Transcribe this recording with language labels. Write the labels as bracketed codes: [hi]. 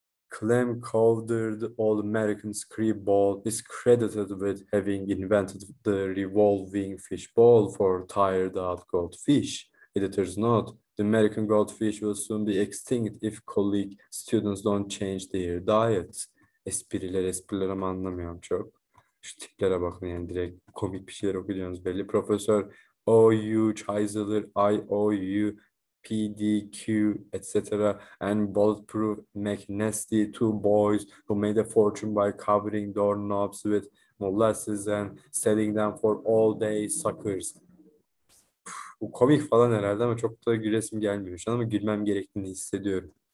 [en] Clem Cowder, the All-American Screwball, is credited with having invented the revolving fishbowl for tired-out goldfish. Editor's note, the American goldfish will soon be extinct if college students don't change their diets. [tr] Espriler ama anlamıyorum çok. Şu tiplere bakın yani direkt komik bir şeyler okuyorsunuz belli. [en] Profesör O.U. Chrysler, I.O.U. PDQ, etc. and bulletproof McNasty, two boys who made a fortune by covering doorknobs with molasses and selling them for all day suckers. [tr] Bu komik falan herhalde ama çok da gülesim gelmiyor şu an ama gülmem gerektiğini hissediyorum.